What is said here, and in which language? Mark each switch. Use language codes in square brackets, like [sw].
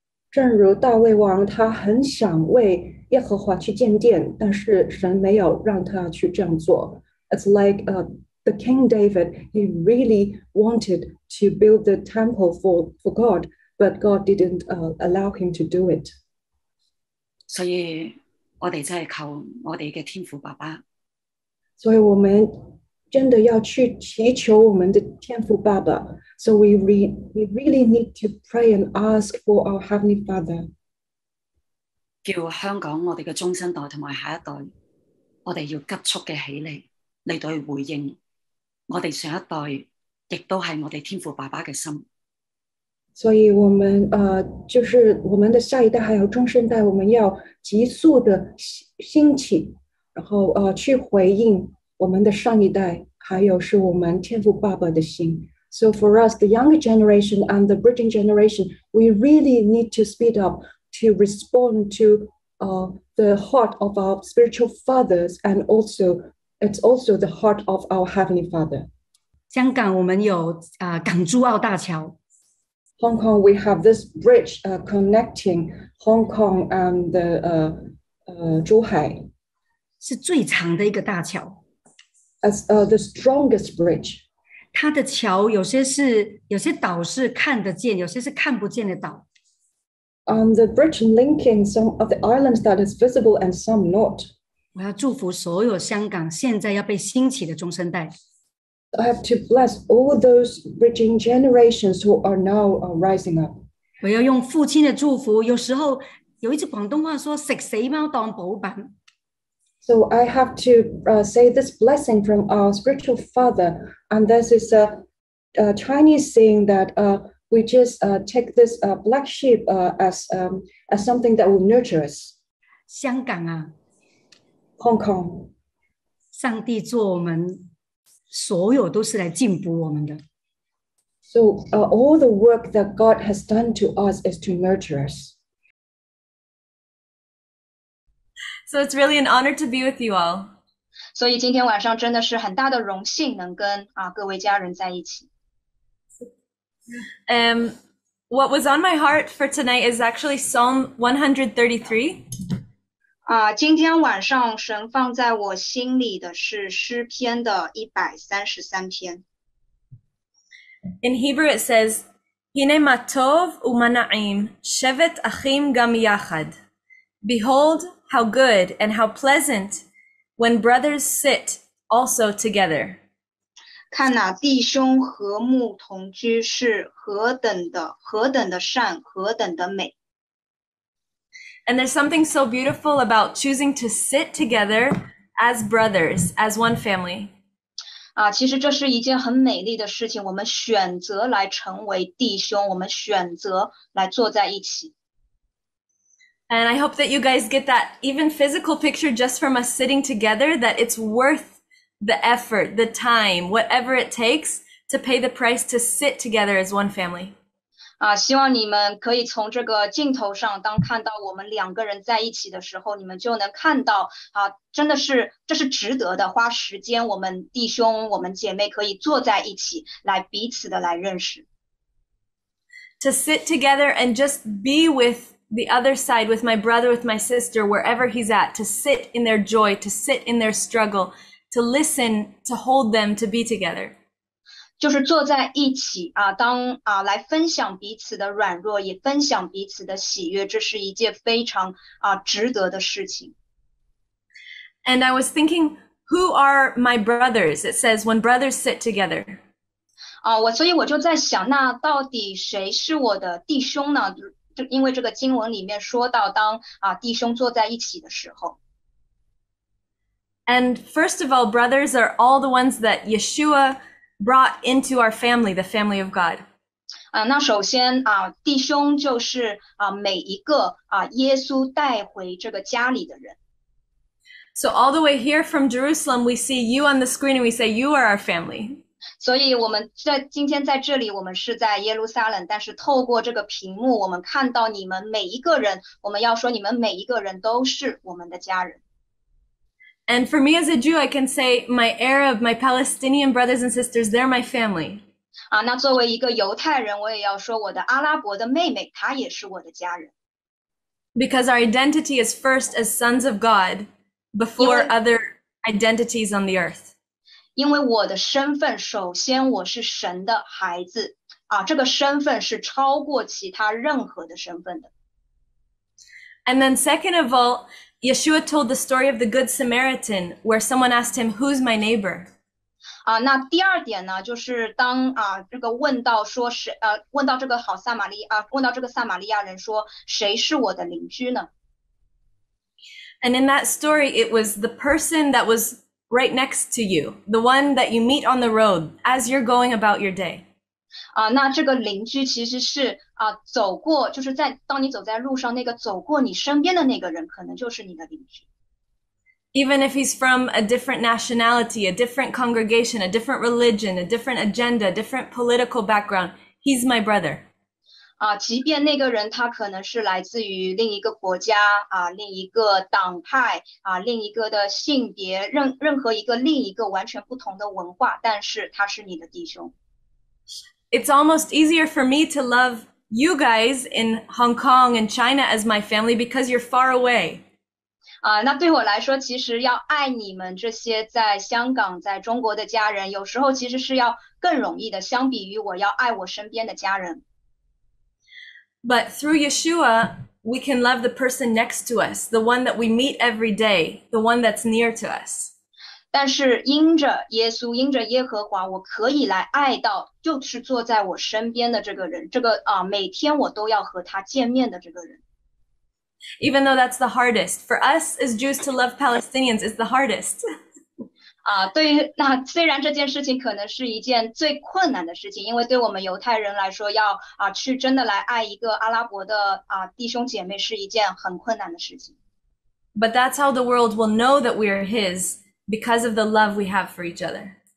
[zh] 正如大卫王他很想为耶和华去建殿但是神没有让他去这样做 [en] It's like the King David he really wanted to build the temple for GodBut God didn't allow him to do it. [zh] 所以我们真的求我们的天父爸爸。所以我们真的要去祈求我们的天父爸爸。 [en] So we really need to pray and ask for our Heavenly Father. [zh] 叫香港我们的中生代和下一代我们要急速的起来来对回应我们上一代也都是我们天父爸爸的心。所以我们就是我们的下一代还有中生代我们要急速的兴起然后去回应我们的上一代还有是我们天父爸爸的心 [en] So for us, the younger generation and the bridging generation we really need to speed up to respond to the heart of our spiritual fathers and also it's also the heart of our Heavenly Father [zh] 香港我们有港珠澳大桥 [en] Hong Kong, we have this bridge connecting Hong Kong and the Zhuhai. [zh] 是最长的一个大桥。 [en] As the strongest bridge. [zh] 它的桥有些是有些岛是看得见，有些是看不见的岛。 [en] The bridge linking some of the islands that is visible and some not. [zh] 我要祝福所有香港现在要被兴起的中生代。 [en] I have to bless all those bridging generations who are now rising up. [zh] 我要用父亲的祝福，有时候有一句广东话说食死猫当补品。 [en] So I have to say this blessing from our spiritual father, and this is a Chinese saying that we just take this black sheep as something that will nurture us. [zh] 香港啊 [en] Hong Kong. [zh] 上帝做我们所有都是来进补我们的。 [en] So, all the work that God has done to us is to nurture us. So, it's really an honor to be with you all. [zh] 所以今天晚上真的是很大的荣幸能跟各位家人在一起。 [en] What was on my heart for tonight is actually Psalm 133. [zh] 今天晚上神放在我心里的是诗篇的133篇。 [en] In Hebrew it says, [he] Hine matov umana'im, shevet achim gam yachad. [en] Behold how good and how pleasant when brothers sit also together. [zh] 看哪，弟兄和睦同居是何等的善，何等的美。 [en] And there's something so beautiful about choosing to sit together as brothers, as one family. [zh] 其实这是一件很美丽的事情。我们选择来成为弟兄，我们选择来坐在一起。 [en] And I hope that you guys get that even physical picture just from us sitting together, that it's worth the effort, the time, whatever it takes to pay the price to sit together as one family. [zh] 希望你们可以从这个镜头上当看到我们两个人在一起的时候你们就能看到真的是这是值得的花时间我们弟兄我们姐妹可以坐在一起来彼此的来认识 [en] To sit together and just be with the other side with my brother with my sister wherever he's at to sit in their joy to sit in their struggle to listen to hold them to be together [zh] 就是坐在一起啊，当啊来分享彼此的软弱，也分享彼此的喜悦，这是一件非常啊值得的事情。 [en] And I was thinking, who are my brothers? It says when brothers sit together. [zh] 啊，所以我就在想，那到底谁是我的弟兄呢？就因为这个经文里面说到当啊弟兄坐在一起的时候。 [en] And first of all, brothers are all the ones that Yeshua brought into our family, the family of God. [zh] 那首先啊，弟兄就是啊每一个啊耶稣带回这个家里的人。 [en] So all the way here from Jerusalem, we see you on the screen and we say you are our family. [zh] 所以我们在今天在这里，我们是在耶路撒冷，但是透过这个屏幕，我们看到你们每一个人，我们要说你们每一个人都是我们的家人。 [en] And for me as a Jew, I can say my Arab, my Palestinian brothers and sisters, they're my family. [zh] 那作为一个犹太人，我也要说我的阿拉伯的妹妹，她也是我的家人。 [en] Because our identity is first as sons of God before other identities on the earth. [zh] 因为我的身份，首先我是神的孩子，这个身份是超过其他任何的身份的。 [en] And then second of all,Yeshua told the story of the Good Samaritan, where someone asked him, "Who's my neighbor?" [zh] 那第二点呢，就是当这个问到说谁问到这个好撒玛利啊，问到这个撒玛利亚人说谁是我的邻居呢 [en] ？And in that story, it was the person that was right next to you, the one that you meet on the road as you're going about your day. [zh] 那这个邻居其实是。走过就是在当你走在路上那个走过你身边的那个人可能就是你的邻居。 [en] Even if he's from a different nationality, a different congregation, a different religion, a different agenda, different political background, he's my brother. [zh] 即便那个人他可能是来自于另一个国家另一个党派另一个的性别任何一个另一个完全不同的文化但是他是你的弟兄。 [en] It's almost easier for me to love you guys in Hong Kong and China as my family because you're far away. [zh] 那对我来说，其实要爱你们这些在香港、在中国的家人，有时候其实是要更容易的，相比于我要爱我身边的家人。 [en] But through Yeshua, we can love the person next to us, the one that we meet every day, the one that's near to us. [zh] 但是因着耶稣，因着耶和华，我可以来爱到就是坐在我身边的这个人，这个每天我都要和他见面的这个人。 [en] Even though that's the hardest for us as Jews to love Palestinians is the hardest. [zh] 对于那虽然这件事情可能是一件最困难的事情，因为对我们犹太人来说，要去真的来爱一个阿拉伯的弟兄姐妹是一件很困难的事情。 [en] But that's how the world will know that we are His. Because of the love we have for each other.